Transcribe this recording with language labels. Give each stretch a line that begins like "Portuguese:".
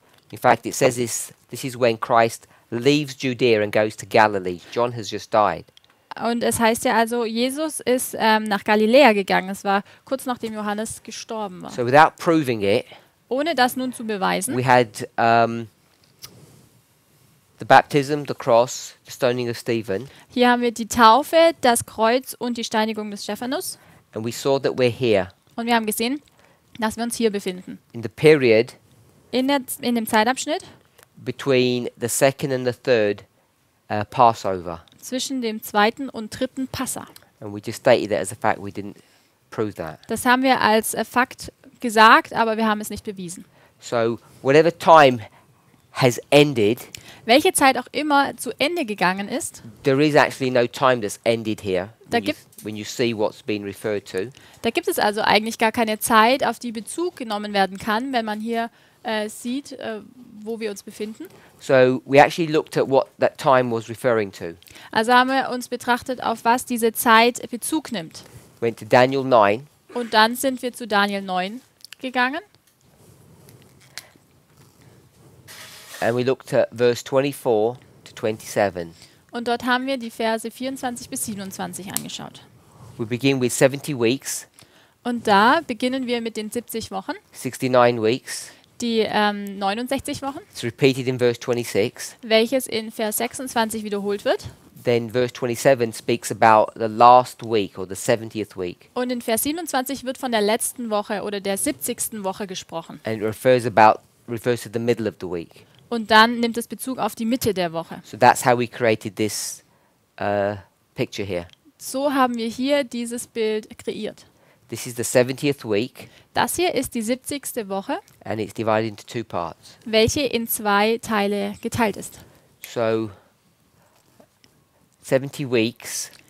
English: In fact, it says this is when Christ leaves Judea and goes to Galilee. John has just died.
German: Und es heißt ja also, Jesus ist nach Galiläa gegangen. Es war kurz nachdem Johannes gestorben war.
English: So without proving it,
German: ohne das nun zu beweisen,
English: we had the baptism, the cross, the stoning of Stephen.
German: Hier haben wir die Taufe, das Kreuz und die Steinigung des Stephanus.
English: And we saw that we're here.
German: Und wir haben gesehen, dass wir uns hier befinden.
English: In the period.
German: In dem Zeitabschnitt.
English: Between the second and the third Passover.
German: Zwischen dem zweiten und dritten Passa.
English: And we just stated that as a fact, we didn't prove that.
German: Das haben wir als Fakt gesagt, aber wir haben es nicht bewiesen.
English: So, whatever time has ended.
German: Welche Zeit auch immer zu Ende gegangen ist.
English: There is actually no time that's ended here.
German: Da gibt
English: when you see what's been referred to.
German: Da gibt es also eigentlich gar keine Zeit, auf die Bezug genommen werden kann, wenn man hier sieht, wo wir uns befinden.
English: So we actually looked at what that time was referring to.
German: Also haben wir uns betrachtet, auf was diese Zeit Bezug nimmt.
English: Went to Daniel 9.
German: Und dann sind wir zu Daniel 9 gegangen.
English: And we looked at verse 24 to 27.
German: Und dort haben wir die Verse 24 bis 27 angeschaut.
English: We begin with 70 weeks.
German: Und da beginnen wir mit den 70 Wochen.
English: 69 weeks.
German: Die 69 Wochen.
English: It's repeated in verse 26.
German: Welches in Vers 26 wiederholt wird.
English: then verse 27 speaks about the last week or the 70th week.
German: Und in Vers 27 wird von der letzten Woche oder der 70. Woche gesprochen.
English: And it refers to the middle of the week.
German: Und dann nimmt es Bezug auf die Mitte der Woche.
English: So that's how we created this picture here.
German: So haben wir hier dieses Bild kreiert.
English: This is the 70th week.
German: Das hier ist die 70. Woche.
English: And it's divided into two parts.
German: Welche in zwei Teile geteilt ist.
English: So 70 weeks.